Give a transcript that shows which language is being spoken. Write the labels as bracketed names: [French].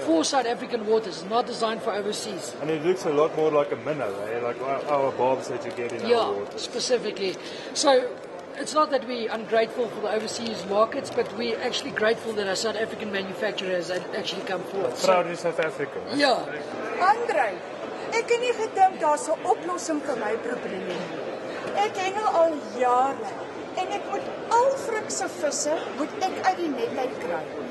[English] For South African waters, not designed for overseas. And it looks a lot more like a minnow, eh? Like our barbs that you get in our waters. Yeah, specifically. So, it's not that we're ungrateful for the overseas markets, but we're actually grateful that our South African manufacturers have actually come forward. Proud in South Africa. Yeah. [Afrikaans] Andre, ek kan nie gedink daar's 'n oplossing vir my probleem nie. Ek hengel al jare, en ek moet al frikse visse moet ek uit die net uit kry.